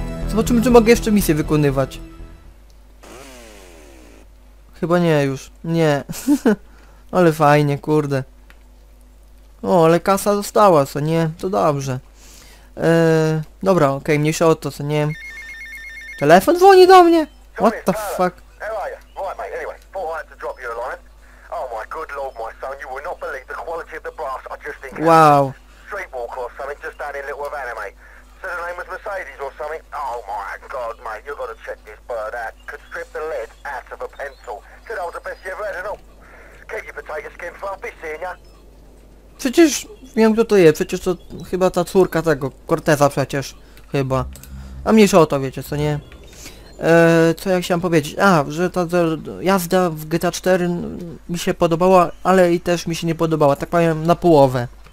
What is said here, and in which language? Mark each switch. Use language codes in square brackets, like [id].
[pl] Zobaczymy, czy mogę jeszcze misję wykonywać. Chyba nie już, nie. Ale fajnie, kurde. O, ale kasa została, co nie, to dobrze. Dobra, okej, okay, mniejsza o to, co nie. Telefon dzwoni do mnie! [en] What the fuck? How are you? Right, mate, anyway, thought I had to drop you a line. Oh my good lord, my son, you will not believe the quality of the brass I just think. Wow. Streetwalker or something, just down in Little Havana, mate. Said her name was Mercedes or something. Oh my god, mate, you gotta check this bird out. Could strip the lead out of a pencil. Said I was the best you ever had, and all. Keep your potato skin fluffy, seeing ya. [pl] Przecież wiem, kto to jest, przecież to chyba ta córka tego, Corteza przecież, chyba. A mniejsza o to, wiecie, co nie? Co ja chciałem powiedzieć? A, że ta jazda w GTA 4 mi się podobała, ale i też mi się nie podobała, tak powiem, na połowę.